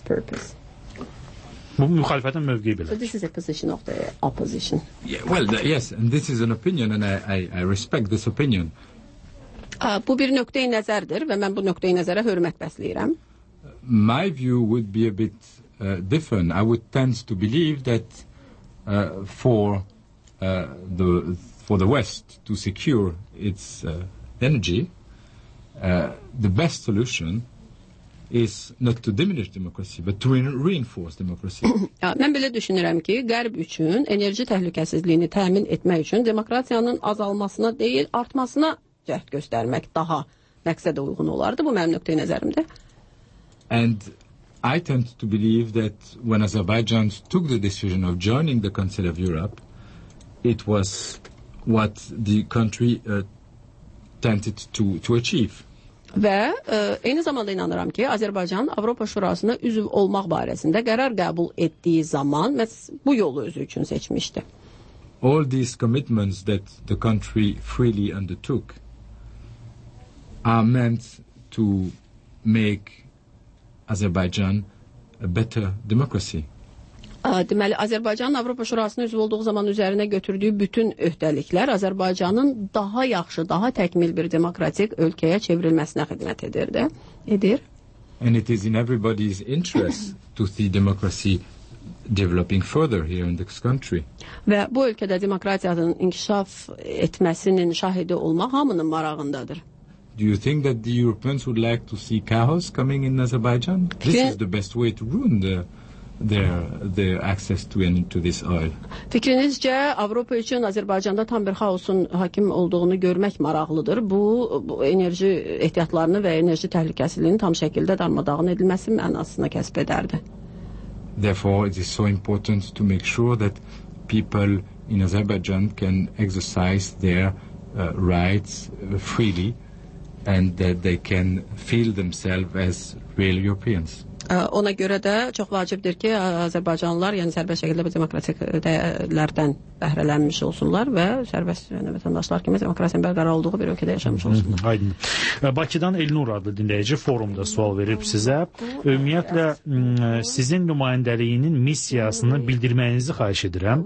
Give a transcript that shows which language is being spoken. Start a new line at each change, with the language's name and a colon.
Azerbaijani: Bu müxalifətin mövqeyi belə.
English: So this is a position of the opposition. Yeah, well, yes, and this is an opinion and I respect this opinion.
Azerbaijani: Bu bir nöqtəyi nəzərdir və mən bu nöqtəyi nəzərə hörmət bəsləyirəm.
English: My view would be a bit different. I would tend to believe that for the West to secure its energy, the best solution is not to diminish democracy but to reinforce democracy.
Azerbaijani: Mən belə düşünürəm ki, Qərb üçün enerji təhlükəsizliyini təmin etmək üçün demokratiyanın azalmasına deyil, artmasına cəhd göstərmək daha məqsədə uyğun olardı. Bu mənim nöqtəyi nəzərimdir.
English: And I tend to believe that when Azerbaijan took the decision of joining the Council of Europe, it was what the country tended to achieve.
Azerbaijani: Və eyni zamanda inanıram ki, Azərbaycan Avropa Şurasına üzv olmaq barəsində qərar qəbul etdiyi zaman məhz bu yolu özü üçün seçmişdi.
English: All these commitments that the country freely undertook are meant to make Azerbaijan a better democracy.
Azerbaijani: Deməli, Azərbaycanın Avropa Şurasına üzv olduğu zaman üzərinə götürdüyü bütün öhdəliklər Azərbaycanın daha yaxşı, daha təkmil bir demokratik ölkəyə çevrilməsinə xidmət edirdi. Edir.
English: And it is in everybody's interest to see democracy developing further here in this country.
Azerbaijani: Və bu ölkədə demokratiyanın inkişaf etməsinin şahidi olmaq hamının marağındadır.
English: Do you think that the Europeans would like to see chaos coming in Azerbaijan? This is the best way to ruin their access to this oil.
Azerbaijani: Fikrinizcə Avropa üçün Azərbaycanda tam bir xaosun hakim olduğunu görmək maraqlıdır. Bu enerji ehtiyatlarını və enerji təhlükəsizliyini tam şəkildə darmadağın edilməsi mənasını kəsb edərdi. Therefore it is so important to make sure that people in Azerbaijan can exercise their rights freely and that they can feel themselves as real Europeans. Ona görə də çox vacibdir ki, Azərbaycanlılar, yəni sərbəst şəkildə bu demokratik dəyərlərdən bəhrələnmiş olsunlar və sərbəst yəni, vətəndaşlar kimi demokrasiyanın bərqərar olduğu bir ölkədə yaşamış olsunlar. Aydın. Bakıdan Elnur adlı dinləyici forumda sual verib sizə. Ümumiyyətlə, sizin nümayəndəliyinin missiyasını bildirməyinizi xahiş edirəm.